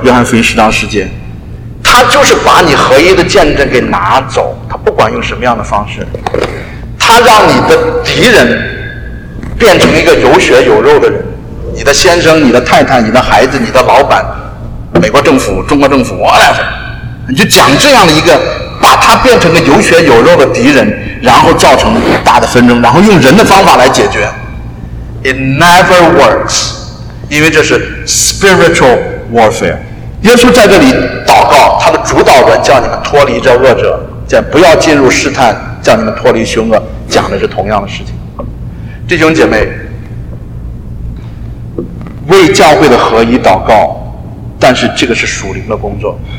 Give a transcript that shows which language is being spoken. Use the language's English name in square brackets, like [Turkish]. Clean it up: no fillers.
[Chinese] 约翰福音十章十节。他就是把你合一的见证给拿走，他不管用什么样的方式，他让你的敌人变成一个有血有肉的人，你的先生、你的太太、你的孩子、你的老板、美国政府、中国政府 whatever， 你就讲这样的一个，把他变成个有血有肉的敌人，然后造成大的纷争，然后用人的方法来解决。 [English] It never works， [Chinese] 因为这是 [English] spiritual warfare。 [Chinese] 耶稣在这里祷告，他的主导文叫你们脱离这恶者，叫不要进入试探，叫你们脱离凶恶，讲的是同样的事情。弟兄姐妹，为教会的合一祷告，但是这个是属灵的工作。